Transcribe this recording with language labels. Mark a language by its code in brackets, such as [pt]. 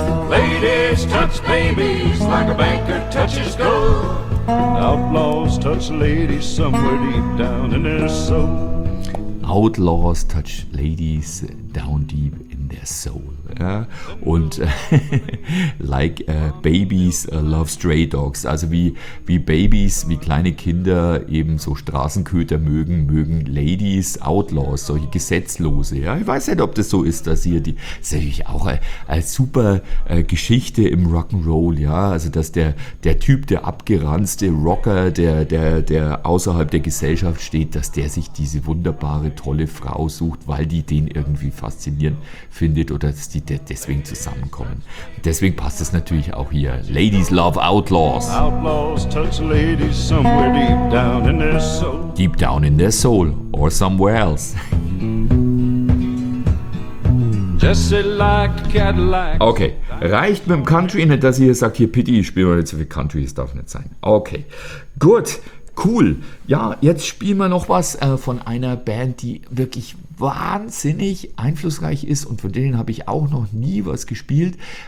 [en] Ladies touch babies like a banker touches gold. Outlaws touch ladies somewhere deep down in their soul. Outlaws touch ladies down deep in their soul. [de] Ja? Und [en] like babies love stray dogs. [de] Also wie Babys, wie kleine Kinder eben so Straßenköter mögen, mögen Ladies, Outlaws, solche Gesetzlose. Ja? Ich weiß nicht, ob das so ist, dass hier die, das ist natürlich auch eine super Geschichte im Rock'n'Roll. Ja? Also dass der Typ, der abgeranzte Rocker, der außerhalb der Gesellschaft steht, dass der sich diese wunderbare, tolle Frau sucht, weil die den irgendwie faszinierend findet oder dass die deswegen zusammenkommen. Deswegen passt es natürlich auch hier. [en] Ladies love outlaws. Outlaws touch ladies somewhere deep down in their soul. Deep down in their soul or somewhere else. Jesse liked Cadillac. [de] Okay, reicht mit dem Country nicht, dass ihr sagt, hier Pity, ich spiele mal nicht so viel Country, das darf nicht sein. Okay, gut. Cool. Ja, jetzt spielen wir noch was von einer Band, die wirklich wahnsinnig einflussreich ist und von denen habe ich auch noch nie was gespielt.